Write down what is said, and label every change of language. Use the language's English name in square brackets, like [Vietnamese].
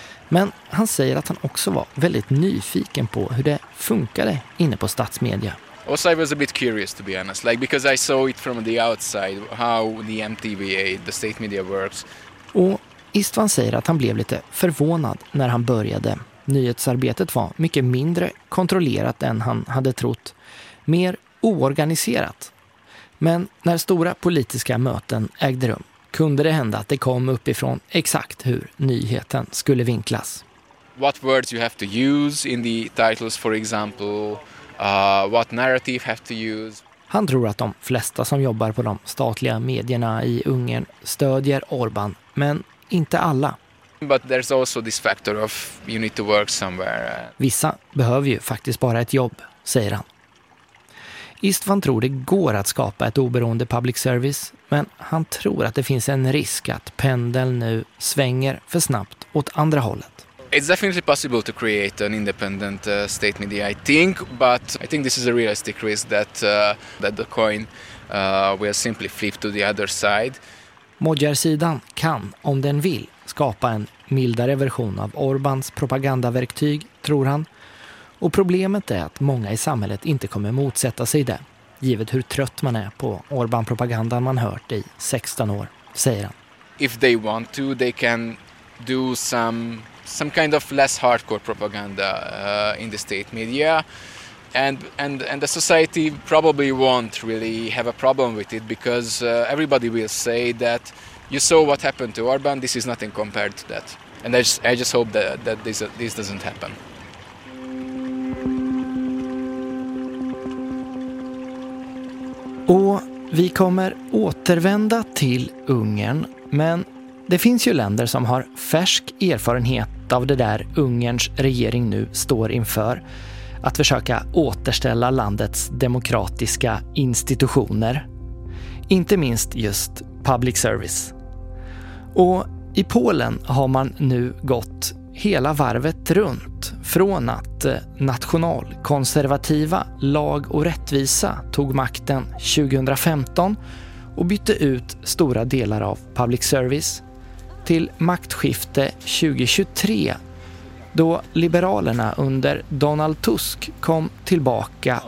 [Swedish] Men han säger att han också var väldigt nyfiken på hur det funkade inne på statsmedia. [English] Also, I was a bit curious to be honest, like because I saw it from the outside how the MTVA, the state media works. [Swedish] Och Istvan säger att han blev lite förvånad när han började. Nyhetsarbetet var mycket mindre kontrollerat än han hade trott, mer oorganiserat. Men när stora politiska möten ägde rum kunde det hända att det kom uppifrån exakt hur nyheten skulle vinklas. [English] What words you have to use in the titles for example, what narrative have to use. [Swedish] Han tror att de flesta som jobbar på de statliga medierna i Ungern stödjer Orbán, men inte alla. [English] But there's also this factor of you need to work somewhere. [Swedish] Vissa behöver ju faktiskt bara ett jobb, säger han. Istvan tror det går att skapa ett oberoende public service, men han tror att det finns en risk att pendeln nu svänger för snabbt åt andra hållet. [English] It's definitely possible to create an independent state media, I think, but I think this is a realistic risk that that the coin will simply flip to the other side. [Swedish] Modjar-sidan kan, om den vill, skapa en mildare version av Orbáns propagandaverktyg, tror han. Och problemet är att många i samhället inte kommer motsätta sig det, givet hur trött man är på Orbán-propagandan man hört i 16 år, säger han. [English] If they want to, they can do some kind of less hardcore propaganda in the state media. And the society probably won't really have a problem with it because everybody will say that you saw what happened to Orbán, this is nothing compared to that. And I just hope that this doesn't happen. [Swedish] Och vi kommer återvända till Ungern, men det finns ju länder som har färsk erfarenhet av det där Ungerns regering nu står inför. Att försöka återställa landets demokratiska institutioner. Inte minst just public service. Och i Polen har man nu gått hela varvet runt från att nationalkonservativa Lag och rättvisa tog makten 2015 och bytte ut stora delar av public service till maktskifte 2023 då Liberalerna under Donald Tusk kom tillbaka.